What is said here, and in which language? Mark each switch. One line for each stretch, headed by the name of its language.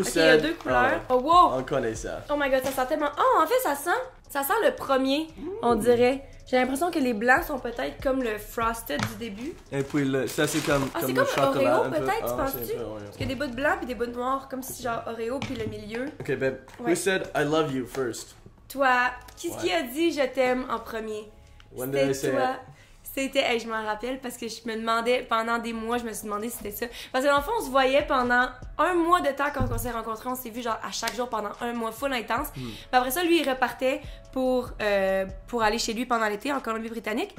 French: ok, il y a deux couleurs. Oh wow! On connaît ça. Oh my god, ça sent tellement... Oh, en fait, ça sent le premier, on dirait. J'ai l'impression que les blancs sont peut-être comme le frosted du début. Et puis le, ça c'est comme, ah, comme, c'est comme le chocolat. Oreo peut-être, tu penses-tu? Parce qu'il y a des bouts de blanc puis des bouts de noir, comme si genre Oreo puis le milieu.
English: Ok, babe, who said I love you first?
French: Toi, qu'est-ce qui a dit je t'aime en premier?
English: When did I say it?
French: C'était, hey, je m'en rappelle parce que je me demandais pendant des mois, je me suis demandé si c'était ça. Parce que dans le fond, on se voyait pendant un mois de temps quand on s'est rencontrés. On s'est vu genre à chaque jour pendant un mois, full intense. Mm. Puis après ça, lui, il repartait pour aller chez lui pendant l'été en Colombie-Britannique.